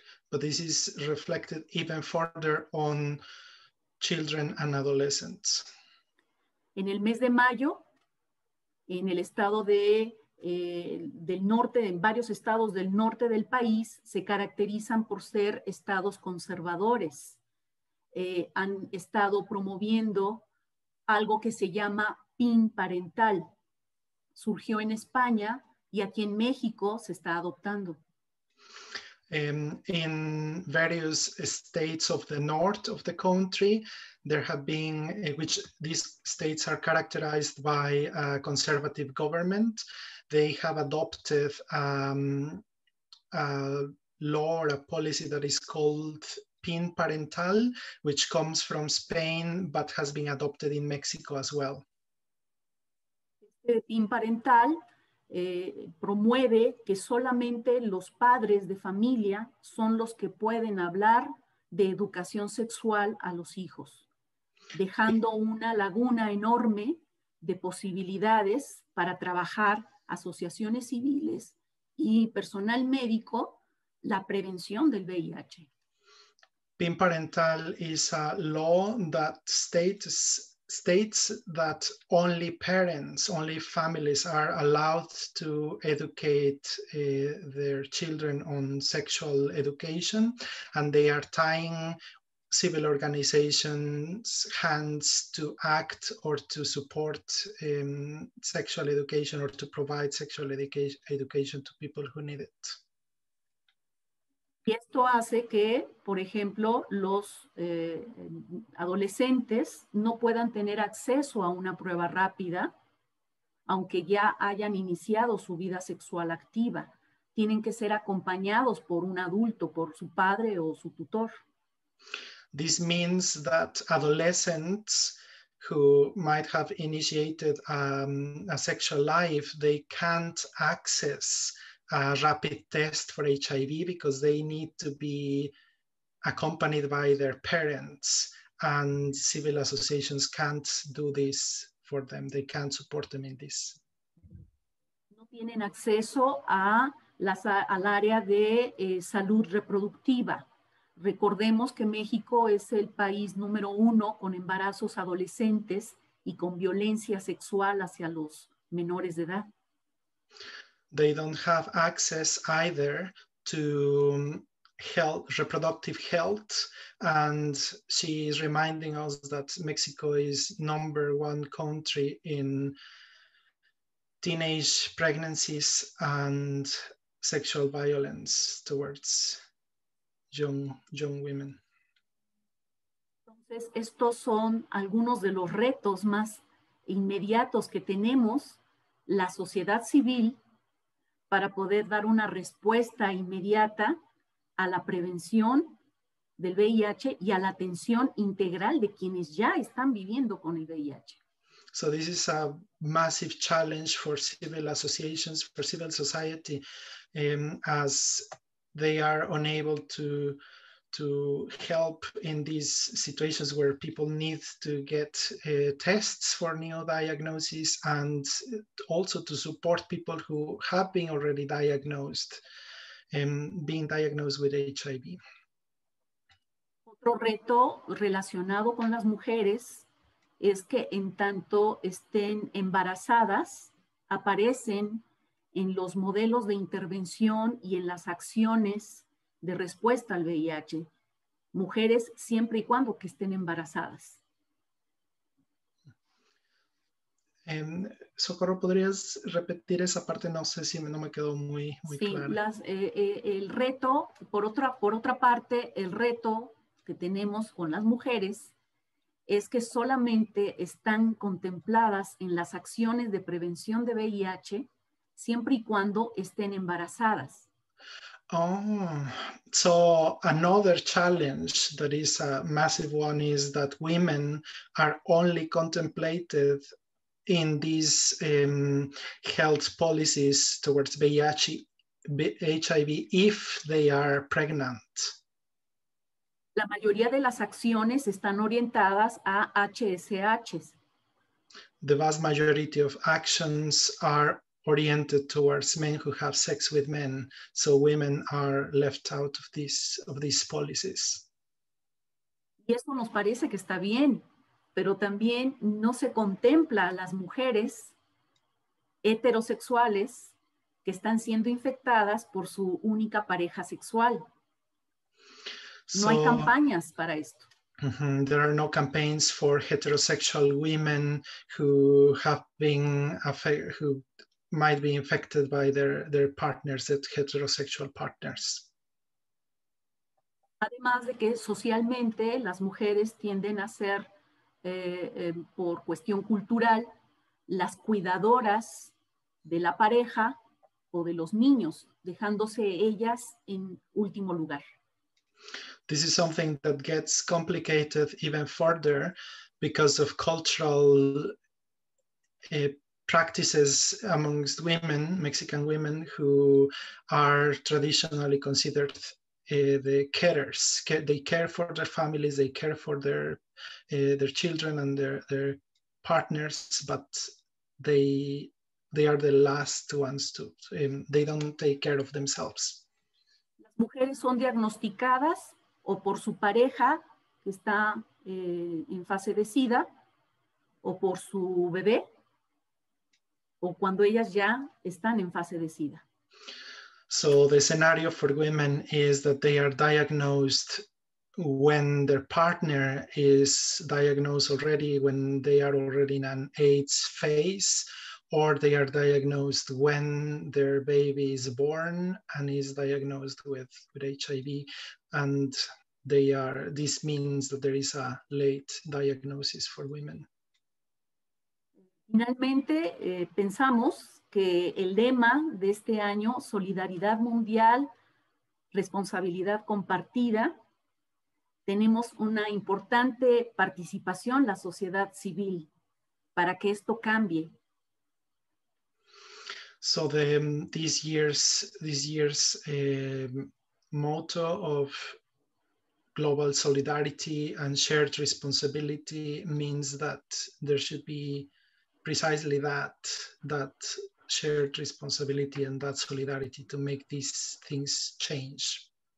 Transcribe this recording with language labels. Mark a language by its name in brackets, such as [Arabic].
[English] But this is reflected even further on children and adolescents. [Spanish] En el mes de mayo, en el estado del norte, en varios estados del norte del país, se caracterizan por ser estados conservadores. Han estado promoviendo algo que se llama PIN parental. Surgió en España y aquí en México se está adoptando. [English] In various states of the north of the country, there have been, which these states are characterized by a conservative government, they have adopted a law or a policy that is called PIN parental, which comes from Spain, but has been adopted in Mexico as well. [Spanish] PIN parental promueve que solamente los padres de familia son los que pueden hablar de educación sexual a los hijos, dejando una laguna enorme de posibilidades para trabajar asociaciones civiles y personal médico la prevención del VIH. [English] PIN parental is a law that states that only parents, only families are allowed to educate their children on sexual education, and they are tying civil organizations' hands to act or to support sexual education or to provide sexual education to people who need it. [Spanish] Y esto hace que, por ejemplo, los adolescentes no puedan tener acceso a una prueba rápida, aunque ya hayan iniciado su vida sexual activa. Tienen que ser acompañados por un adulto, por su padre o su tutor. [English] This means that adolescents who might have initiated a sexual life, they can't access a rapid test for HIV because they need to be accompanied by their parents, and civil associations can't do this for them. They can't support them in this. [Spanish] No tienen acceso al área de salud reproductiva. Recordemos que México es el país número uno con embarazos adolescentes y con violencia sexual hacia los menores de edad. [English] They don't have access either to health, reproductive health. And she is reminding us that Mexico is number one country in teenage pregnancies and sexual violence towards young women. [Spanish] Entonces, estos son algunos de los retos más inmediatos que tenemos la sociedad civil para poder dar una respuesta inmediata a la prevención del VIH y a la atención integral de quienes ya están viviendo con el VIH. [English] So this is a massive challenge for civil associations, for civil society, as they are unable to help in these situations where people need to get tests for new diagnoses and also to support people who have been already diagnosed, being diagnosed with HIV. [Spanish] Otro reto relacionado con las mujeres es que en tanto estén embarazadas, aparecen en los modelos de intervención y en las acciones de respuesta al VIH, mujeres siempre y cuando que estén embarazadas. Socorro, ¿podrías repetir esa parte? No sé si no me quedó muy sí, claro. El reto, por otra parte, el reto que tenemos con las mujeres es que solamente están contempladas en las acciones de prevención de VIH siempre y cuando estén embarazadas. [English] Oh, so another challenge that is a massive one is that women are only contemplated in these health policies towards VIH, HIV if they are pregnant. [Spanish] La mayoría de las acciones están orientadas a HSHs. [English] The vast majority of actions are oriented towards men who have sex with men, so women are left out of these policies. [Spanish] Y eso nos parece que está bien, pero también no se contempla a las mujeres heterosexuales que están siendo infectadas por su única pareja sexual. No hay campañas para esto. [English] There are no campaigns for heterosexual women who have been who might be infected by their partners, their heterosexual partners. [Spanish] Además de que socialmente las mujeres tienden a ser por cuestión cultural las cuidadoras de la pareja o de los niños, dejándose ellas en último lugar. [English] This is something that gets complicated even further because of cultural practices amongst women, Mexican women, who are traditionally considered the carers. They care for their families, they care for their children and their partners, but they are the last ones to, they don't take care of themselves. [Spanish] Las mujeres son diagnosticadas o por su pareja que está en fase de SIDA, o por su bebé, o cuando ellas ya están en fase de SIDA. [English] So the scenario for women is that they are diagnosed when their partner is diagnosed already, when they are already in an AIDS phase, or they are diagnosed when their baby is born and is diagnosed with HIV, and they are, this means that there is a late diagnosis for women. [Spanish] Finalmente, pensamos que el lema de este año, solidaridad mundial, responsabilidad compartida, tenemos una importante participación la sociedad civil para que esto cambie. [English] So this year's motto of global solidarity and shared responsibility means that there should be precisely that shared responsibility and that solidarity to make these things change.